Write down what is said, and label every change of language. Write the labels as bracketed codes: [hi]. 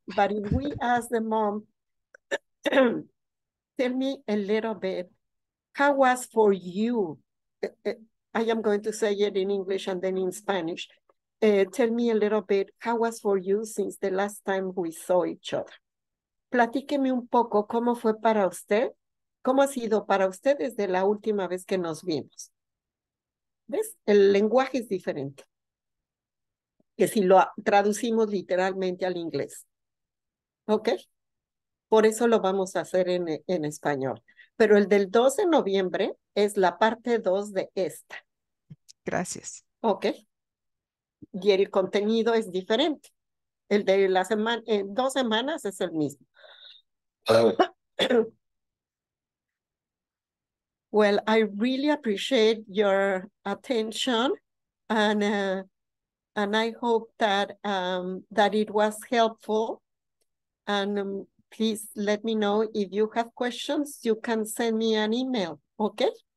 [en] But if we ask the mom, tell me a little bit, how was for you? I am going to say it in English and then in Spanish. Tell me a little bit, how was for you since the last time we saw each other? [es] Platíqueme un poco, ¿cómo fue para usted? ¿Cómo ha sido para usted desde la última vez que nos vimos? ¿Ves? El lenguaje es diferente. Que si lo traducimos literalmente al inglés. ¿Ok? Por eso lo vamos a hacer en español. Pero el del 12 de noviembre es la parte 2 de esta. Gracias. ¿Ok? Y el contenido es diferente. El de la semana, en 2 semanas es el mismo. [en] Well, I really appreciate your attention and I hope that that it was helpful. And please let me know if you have questions, you can send me an email, okay?